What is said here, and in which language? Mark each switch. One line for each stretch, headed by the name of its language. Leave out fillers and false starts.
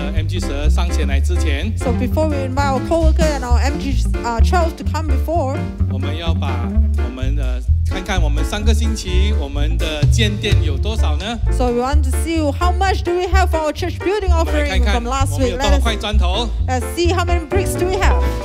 English: So before we invite our co-worker and our MG12 to come before,
Chinese: 我们要把我们的看看我们上个星期我们的建殿有多少呢
English: ？So we want to see how much do we have for our church building offering
Chinese: 看看
English: from last week.
Chinese: 我们有多少块砖头
English: ？Let's see how many bricks do we have.